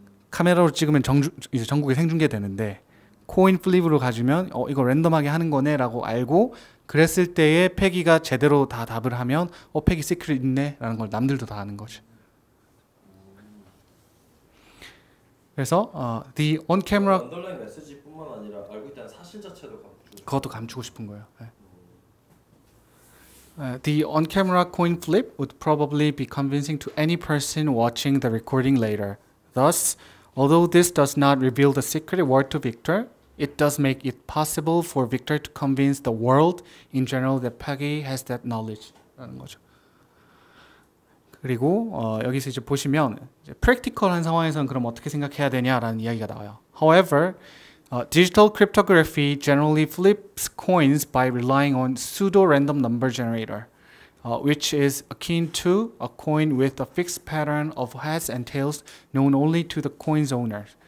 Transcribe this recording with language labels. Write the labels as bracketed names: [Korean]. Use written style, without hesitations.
[Korean] 카메라로 찍으면 이제 전국에 생중계되는데 코인 플립으로 가주면 이거 랜덤하게 하는 거네라고 알고 그랬을 때에 패기가 제대로 다 답을 하면 패기 시크릿 있네라는 걸 남들도 다 아는 거지. 그래서 [English] the on camera [Korean] 언더라인 메시지뿐만 아니라 알고 있다는 사실 자체도 그것도 감추고 싶은 거예요. 네. [English] The on camera coin flip would probably be convincing to any person watching the recording later. Thus, although this does not reveal the secret word to Victor, it does make it possible for Victor to convince the world in general that Peggy has that knowledge [Korean] 라는 거죠. 그리고 여기서 이제 보시면 이제 프랙티컬한 상황에서는 그럼 어떻게 생각해야 되냐라는 이야기가 나와요. [English] However, digital cryptography generally flips coins by relying on pseudo random number generator, which is akin to a coin with a fixed pattern of heads and tails known only to the coin's owner.